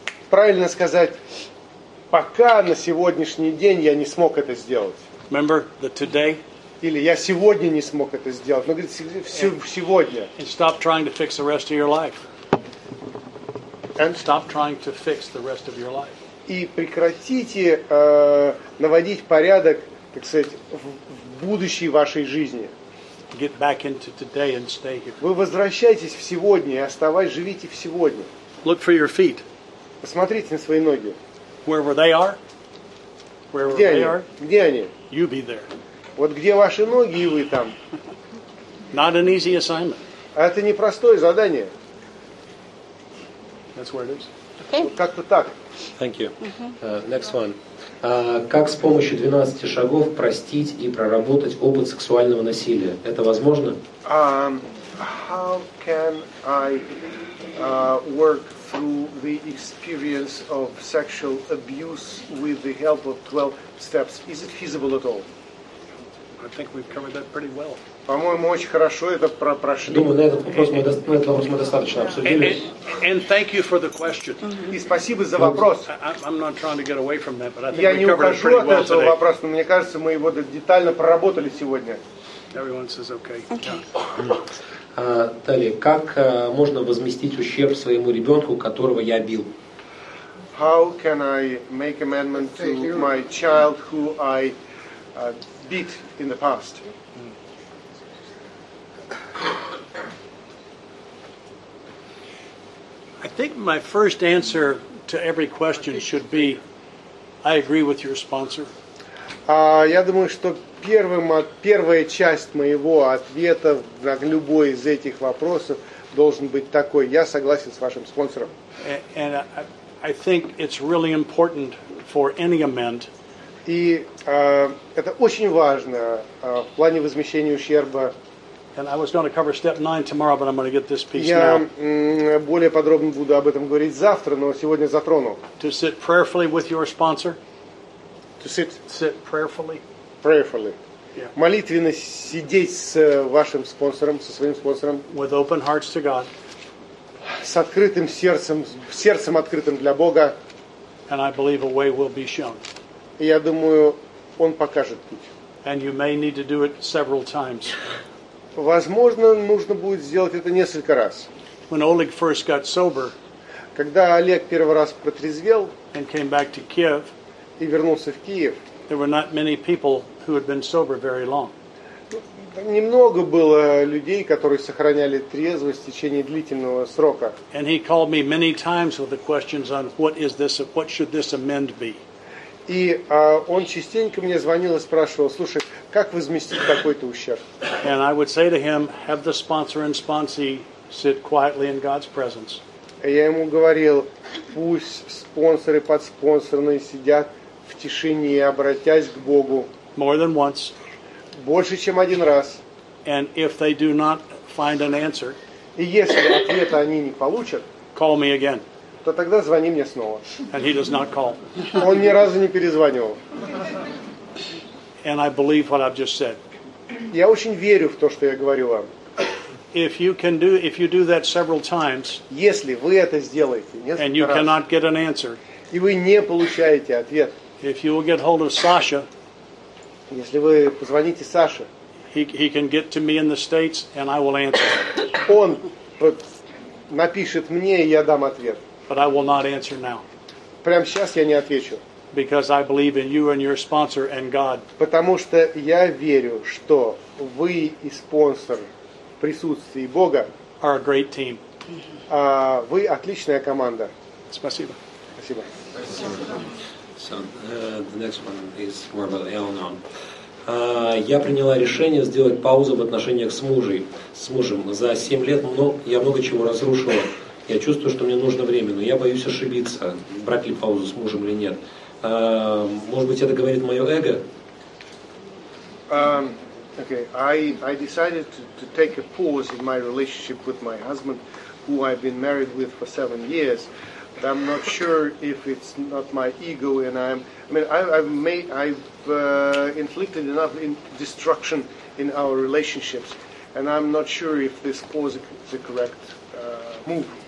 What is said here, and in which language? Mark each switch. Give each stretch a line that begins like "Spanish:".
Russian: Правильно сказать, пока на сегодняшний день я не смог это сделать.
English: Remember the today.
Russian: Или я сегодня не смог это сделать. Но говорит, сегодня.
English: And stop trying to fix the rest of your life. And stop trying to fix the rest of your life.
Russian: И прекратите наводить порядок, так сказать, в будущей вашей жизни.
English: Get back into today and stay here.
Russian: Вы возвращайтесь в сегодня и оставайтесь, живите в сегодня.
English: Look for your feet.
Russian: Посмотрите на свои ноги.
English: Wherever they are.
Russian: Где они?
English: You be there.
Russian: Вот где ваши ноги, и вы там.
English: Not an easy assignment.
Russian: Это непростое задание.
English: That's where it is. Okay.
Russian: Как-то так.
English: Thank you. Next one.
Russian: Как с помощью 12 шагов простить и проработать опыт сексуального насилия? Это возможно?
English: How can I work through the experience of sexual abuse with the help of 12 steps? Is it feasible at all? I think we've covered that pretty well.
Russian: По-моему, очень хорошо это прошли. Думаю, на этот вопрос мы этот вопрос мы достаточно обсудили.
English: And thank you for the question.
Russian: И спасибо за вопрос.
English: I'm not trying to get away from that, but I think
Russian: я не ухожу от этого вопроса, но мне кажется, мы его детально проработали сегодня.
English: Everyone says okay.
Russian: Далее, как можно возместить ущерб своему ребенку, которого я бил?
English: How can I make amendment to my child who I beat in the past? I think my first answer to every question should be, I agree with your sponsor.
Russian: Я думаю, что первая часть моего ответа на любой из этих вопросов должен быть такой: я согласен с вашим спонсором.
English: And I think it's really important for any amend.
Russian: И это очень важно в плане возмещения ущерба.
English: And I was going to cover step 9 tomorrow, but I'm going to get this piece
Russian: я,
English: now.
Russian: Более подробно буду об этом говорить завтра, но сегодня затрону.
English: To sit prayerfully with your sponsor. To sit. Sit prayerfully. Prayerfully. Yeah.
Russian: Молитвенно сидеть с вашим спонсором, со своим спонсором.
English: With open hearts to God.
Russian: С открытым сердцем, сердцем открытым для Бога.
English: And I believe a way will be shown.
Russian: И я думаю, он покажет путь.
English: And you may need to do it several times.
Russian: Возможно, нужно будет сделать это несколько раз.
English: When Oleg first got sober,
Russian: когда Олег первый раз протрезвел
English: and came back to Kiev,
Russian: и вернулся в Киев,
English: there were not many people who had been sober very long.
Russian: Немного было людей, которые сохраняли трезвость в течение длительного срока.
English: And he called me many times with the questions on what is this, what should this amend be.
Russian: И он частенько мне звонил и спрашивал: слушай, как возместить такой-то ущерб?
English: And I would say to him, have the sponsor and sponsee sit quietly in God's presence.
Russian: И я ему говорил: пусть спонсоры и подспонсорные сидят в тишине и обратясь к Богу.
English: More than once.
Russian: Больше, чем один раз.
English: And if they do not find an answer,
Russian: и если ответа они не получат,
English: call me again.
Russian: То тогда звони мне снова.
English: And he does not call.
Russian: Он ни разу не перезванивал.
English: And I believe what I've just said.
Russian: Я очень верю в то, что я говорю вам.
English: If you can do, if you do that several times,
Russian: если вы это сделаете несколько
English: and you
Russian: раз,
English: cannot get an answer,
Russian: и вы не получаете ответ,
English: if you will get hold of Sasha,
Russian: если вы позвоните Саше,
English: he can get to me in the States and I will answer.
Russian: Он напишет мне, и я дам ответ.
English: But I will not answer now.
Russian: Прямо сейчас я не отвечу.
English: Because I believe in you and your sponsor and God.
Russian: Потому что я верю, что вы и спонсор в присутствии Бога
English: are a great team.
Russian: Вы отличная команда. Спасибо. Спасибо.
English: So, the next one is more about Elnon.
Russian: Я приняла решение сделать паузу в отношениях с мужем. За 7 лет я много чего разрушила. Я чувствую, что мне нужно время, но я боюсь ошибиться, брать ли паузу с мужем или нет. Может быть, это говорит мое эго?
English: I decided to take a pause in my relationship with my husband, who I've been married with for 7 years. But I'm not sure if it's not my ego, and I've inflicted enough destruction in our relationships, and I'm not sure if this pause is the correct move.